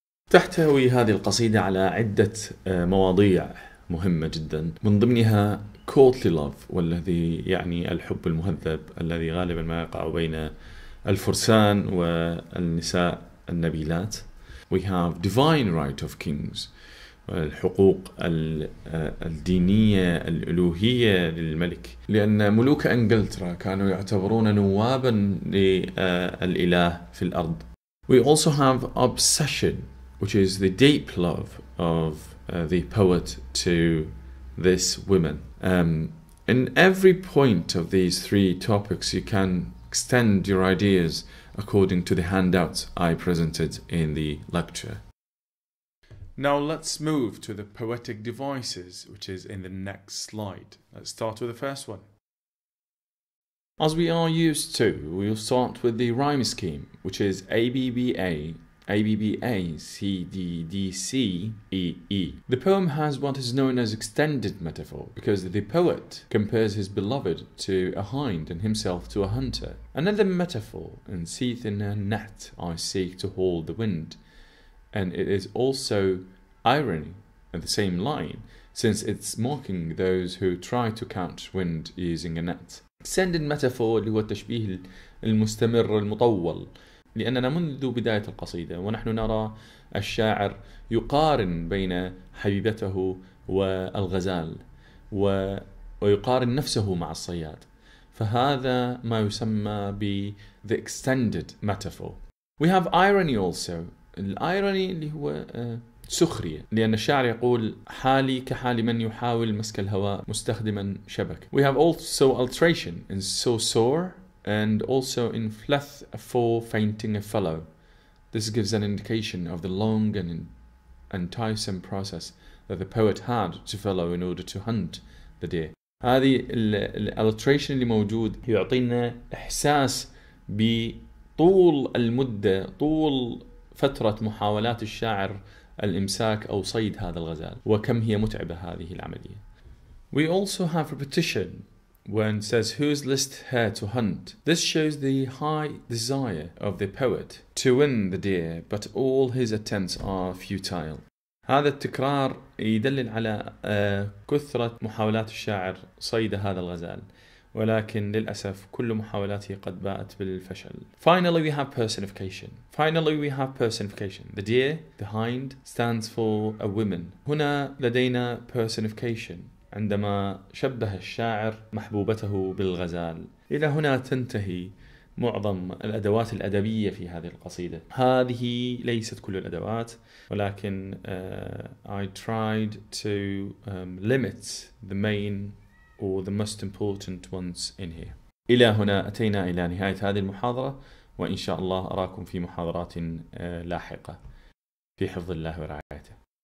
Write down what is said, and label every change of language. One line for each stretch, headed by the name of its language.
Arabic: تحتوي هذه القصيدة على عدة مواضيع مهمة جدا، من ضمنها courtly love والذي يعني الحب المهذب الذي غالبا ما يقع بين الفرسان والنساء النبيلات.
English: We have divine right of kings،
Arabic: الحقوق الدينية الألوهية للملك، لأن ملوك إنجلترا كانوا يعتبرون نوابا للإله في الأرض.
English: We also have obsession، which is the deep love of the poet to this woman. In every point of these three topics, you can extend your ideas according to the handouts I presented in the lecture. Now let's move to the poetic devices, which is in the next slide. Let's start with the first one. As we are used to, we'll start with the rhyme scheme, which is ABBA, ABBA, CDDC, EE. The poem has what is known as extended metaphor because the poet compares his beloved to a hind and himself to a hunter. Another metaphor, and seeth in a net I seek to haul the wind. And it is also irony in the same line, since it's mocking those who try to catch wind using a net.
Arabic: Extended metaphor اللي هو التشبيه المستمر المطول، لأننا منذ بداية القصيدة ونحن نرى الشاعر يقارن بين حبيبته والغزال ويقارن نفسه مع الصياد، فهذا ما يسمى ب the extended metaphor.
English: We have irony also.
Arabic: الايروني اللي هو سخرية، لأن الشاعر يقول حالي كحال من يحاول مسك الهواء مستخدما شبك.
English: We have also alteration in so sore and also in fleth for fainting a fellow. This gives an indication of the long and enticing process that the poet had to follow in order to hunt the deer.
Arabic: هذه الالتريشن اللي موجود يعطينا إحساس بطول المدة، طول فترة محاولات الشاعر الإمساك أو صيد هذا الغزال، وكم هي متعبة هذه العملية.
English: We also have repetition when says whose list her to hunt. This shows the high desire of the poet to win the deer, but all his attempts are futile.
Arabic: هذا التكرار يدلل على كثرة محاولات الشاعر صيد هذا الغزال، ولكن للأسف كل محاولاته قد باءت بالفشل.
English: Finally we have personification. Finally we have personification. The deer, the hind, stands for a woman.
Arabic: هنا لدينا personification، عندما شبه الشاعر محبوبته بالغزال. إلى هنا تنتهي معظم الأدوات الأدبية في هذه القصيدة. هذه ليست كل الأدوات، ولكن
English: I tried to limit the main or the most important ones in here.
Arabic: إلى هنا أتينا إلى نهاية هذه المحاضرة، وإن شاء الله أراكم في محاضرات لاحقة. في حفظ الله ورعايته.